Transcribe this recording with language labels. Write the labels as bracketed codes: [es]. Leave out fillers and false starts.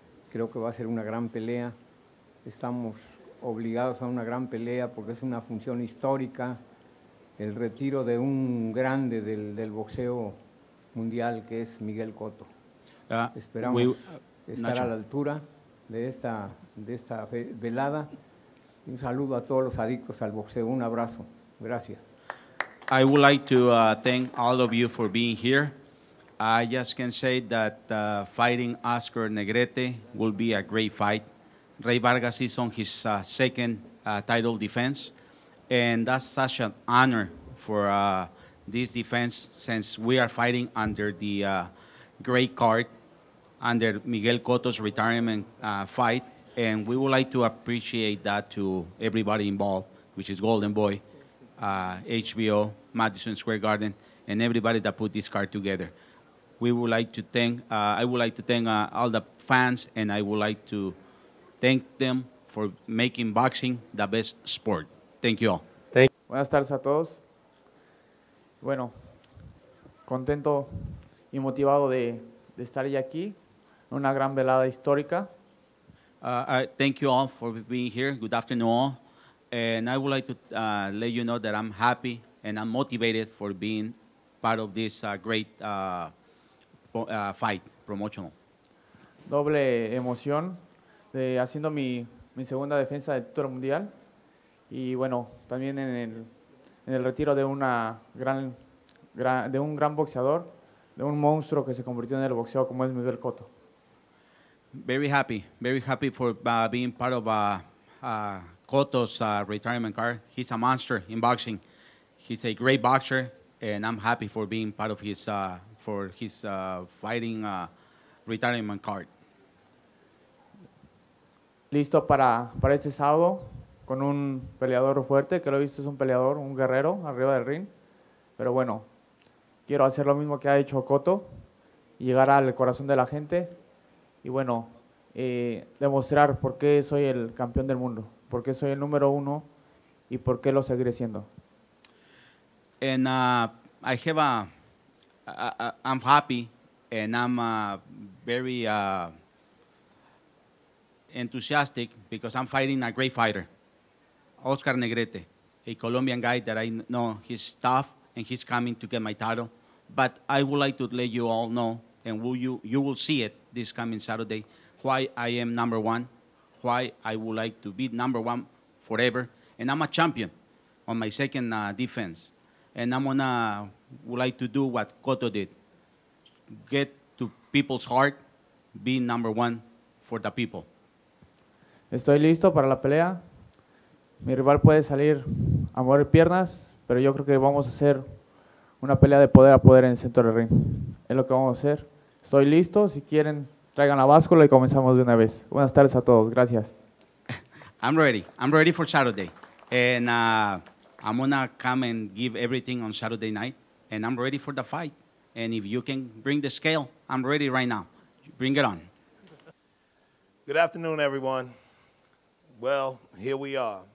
[es] Creo que va a ser una gran pelea. Estamos obligados a una gran pelea porque es una función histórica, el retiro de un grande del boxeo mundial que es Miguel Cotto. Esperamos estar a la altura de esta velada. Un saludo a todos los adictos al boxeo. Un abrazo. Gracias. [en] I would like to thank all of you for being here. I just can say that fighting Oscar Negrete will be a great fight. Ray Vargas is on his second title defense, and that's such an honor for this defense, since we are fighting under the great card, under Miguel Cotto's retirement fight, and we would like to appreciate that to everybody involved, which is Golden Boy, HBO, Madison Square Garden, and everybody that put this card together. We would like to thank, all the fans, and I would like to thank them for making boxing the best sport. Thank you all. Thank you. [es] Buenas tardes a todos. Bueno, contento y motivado de estar ya aquí, una gran velada histórica. [en] Thank you all for being here. Good afternoon all. And I would like to let you know that I'm happy and I'm motivated for being part of this great fight, promotional. [es] Doble emoción. De haciendo mi segunda defensa del título mundial y bueno, también en el retiro de una gran boxeador, de un monstruo que se convirtió en el boxeo como es Miguel Cotto. [en] Very happy for being part of Cotto's retirement card. He's a monster in boxing. He's a great boxer and I'm happy for being part of his fighting retirement card. [es] Listo para este sábado con un peleador fuerte, que lo he visto es un peleador, un guerrero arriba del ring. Pero bueno, quiero hacer lo mismo que ha hecho Cotto, llegar al corazón de la gente y bueno, demostrar por qué soy el campeón del mundo, por qué soy el número uno y por qué lo seguiré siendo. [en] And I'm happy and I'm very enthusiastic because I'm fighting a great fighter, Oscar Negrete, a Colombian guy that I know he's tough and he's coming to get my title. But I would like to let you all know, and you will see it this coming Saturday, why I am number one, why I would like to be number one forever. And I'm a champion on my second defense. And I'm gonna would like to do what Cotto did, get to people's heart, be number one for the people. [es] Estoy listo para la pelea. Mi rival puede salir a mover piernas, pero yo creo que vamos a hacer una pelea de poder a poder en el centro del ring. Es lo que vamos a hacer. Estoy listo. Si quieren, traigan la báscula y comenzamos de una vez. Buenas tardes a todos. Gracias. [en] I'm ready. I'm ready for Saturday. And I'm going to come and give everything on Saturday night. And I'm ready for the fight. And if you can bring the scale, I'm ready right now. Bring it on. Good afternoon, everyone. Well, here we are.